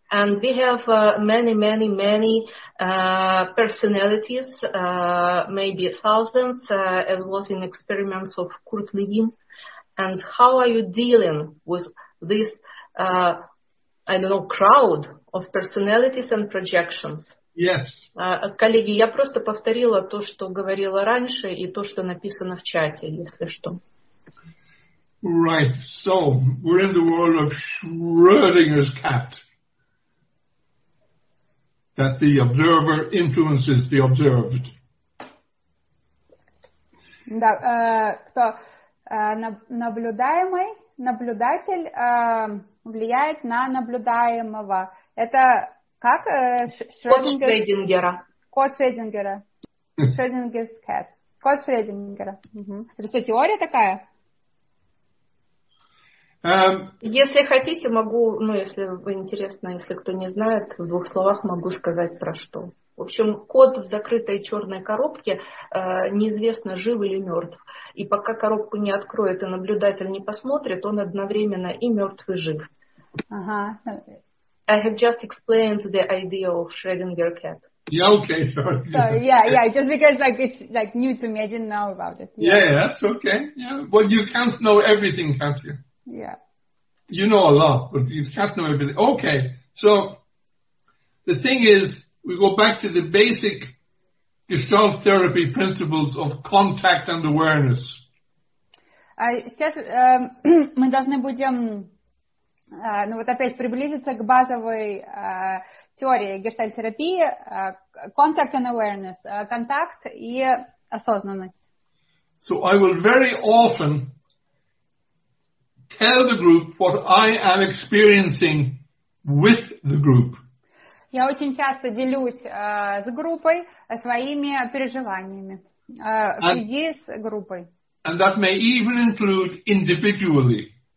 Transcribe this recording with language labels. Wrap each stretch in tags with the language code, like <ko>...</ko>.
<en>And we have many personalities, maybe thousands, as was in experiments of Kurt Levin. And how are you dealing with this, I don't know, crowd of personalities and projections? Yes.</en> <ru>Коллеги, я просто повторила то, что говорила раньше, и то, что написано в чате, если что.</ru> <en>Right, so we're in the world of Schrödinger's cat, that the observer influences the observed.</en> <ru>Да, кто наблюдаемый, наблюдатель влияет на наблюдаемого. Это как Шрёдингера? Кот Шрёдингера.</ru> <en>Schrödinger's cat.</en> <ru>Кот Шрёдингера. Угу. Это теория такая? Если хотите, могу, ну, если вы интересно, если кто не знает, в двух словах могу сказать про что. В общем, кот в закрытой черной коробке, неизвестно, жив или мертв. И пока коробку не откроет и наблюдатель не посмотрит, он одновременно и мертв, и жив. Uh-huh.</ru> <en>I have just explained the idea of Schrödinger cat. Yeah, okay. Sorry. So, yeah, just because like it's like new to me, I didn't know about it. Yeah, that's okay. Yeah. Well, you can't know everything, can't you? Yeah. You know a lot, but you can't know everything. Okay, so the thing is, we go back to the basic Gestalt therapy principles of contact and awareness.</en> <ru>Сейчас мы должны будем, ну вот опять приблизиться к базовой теории Gestalt терапии,</ru> <en>contact and awareness,</en> <ru>контакт и осознанность.</ru> <en>So I will very often tell the group what I am experiencing with the group.</en> <ru>Я очень часто делюсь с группой своими переживаниями среди с группой.</ru> <en>And that may even include individually.</en>